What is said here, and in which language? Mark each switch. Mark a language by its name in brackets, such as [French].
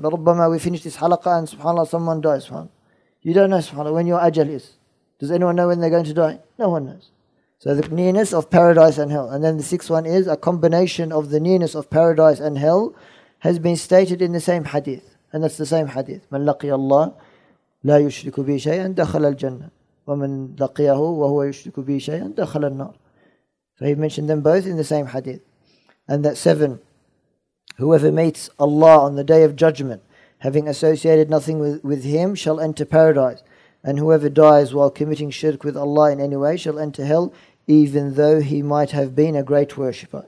[English] But rubbama, we finish this halaqa and subhanAllah, someone dies. SubhanAllah. You don't know, subhanAllah, when your ajal is. Does anyone know when they're going to die? No one knows. So the nearness of paradise and hell. And then the sixth one is, a combination of the nearness of paradise and hell has been stated in the same hadith. And that's the same hadith. [Arabic] من لقي الله لا يشرك به شيئا دخل الجنة ومن لقيه وهو يشرك به شيئا دخل النار. [English] So he mentioned them both in the same hadith. And that seven, whoever meets Allah on the day of judgment, having associated nothing with him, shall enter paradise. And whoever dies while committing shirk with Allah in any way shall enter hell, even though he might have been a great worshipper.